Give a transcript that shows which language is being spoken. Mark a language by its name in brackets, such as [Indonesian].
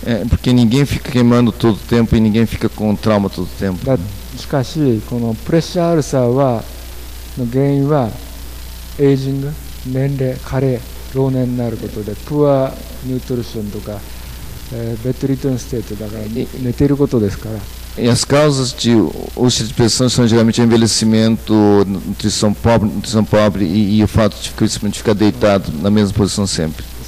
[Portuguese] Porque ninguém fica queimando todo o tempo e ninguém fica com trauma todo o tempo. [Japanese] しかし、このプレッシャーアルサーはの原因はエイジング、年齢、加齢、老年になることで、プアニュートリションとか。 [Portuguese] E as causas de úlcera de pressão são geralmente envelhecimento, nutrição pobre e o fato de ficar deitado na mesma posição sempre.